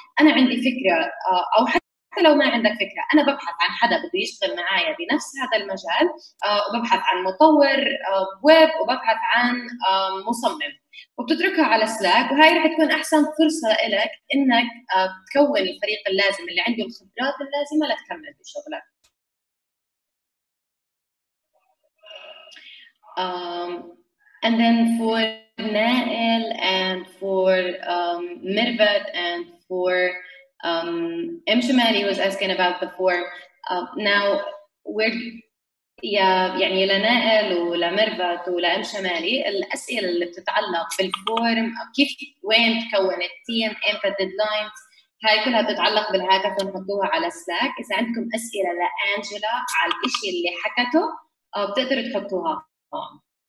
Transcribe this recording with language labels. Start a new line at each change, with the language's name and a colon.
Arabic: أنا عندي فكرة، أو حتى لو ما عندك فكرة، أنا ببحث عن حدا بده يشتغل معايا بنفس هذا المجال، وببحث عن مطور ويب، وببحث عن مصمم، وبتتركها على سلاك. وهاي رح تكون أحسن فرصة لك إنك تكون الفريق اللازم اللي عنده الخبرات اللازمة لتكمل بشغلك.
English: And then for Nael and for Mirvat and for M. Shamali was asking about the form. Now we're
Arabic: يعني لنائل ولمرفت ولأم شمالي الأسئلة اللي بتتعلق بالفورم، كيف وين تكون التيم، إمتى الديدلاينز، هاي كلها بتتعلق بالهاتف، نحطوها على سلاك. إذا عندكم أسئلة لأنجلا على الإشي اللي حكته بتقدروا تحطوها هون.